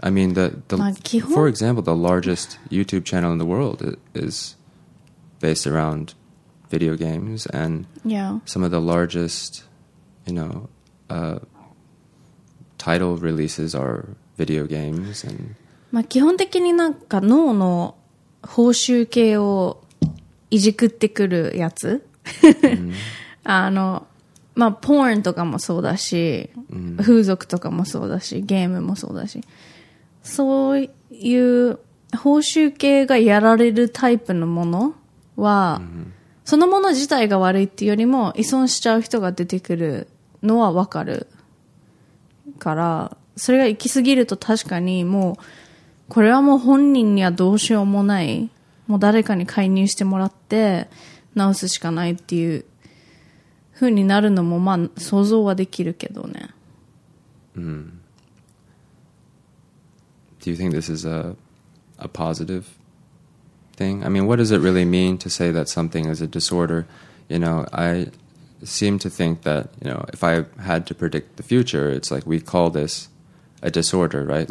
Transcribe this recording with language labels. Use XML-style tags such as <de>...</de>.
<en>I mean, for example, the largest YouTube channel in the world is based around video games, and some of the largest, you know, title releases are video games. And</en> <ja>まあ基本的になんか脳の報酬系をいじくってくるやつ、あの、まあ、ポーンとかもそうだし、風俗とかもそうだし、ゲームもそうだし、そういう報酬系がやられるタイプのものは、そのもの自体が悪いっていうよりも依存しちゃう人が出てくるのはわかるから、それが行き過ぎると確かにもうこれはもう本人にはどうしようもない。もう誰かに介入してもらって直すしかないっていう風になるのもまあ想像はできるけどね。</ja> <en>Do you think this is a positive thing? I mean, what does it really mean to say that something is a disorder? You know, I seem to think that, you know, if I had to predict the future, it's like we call this a disorder, right?</en>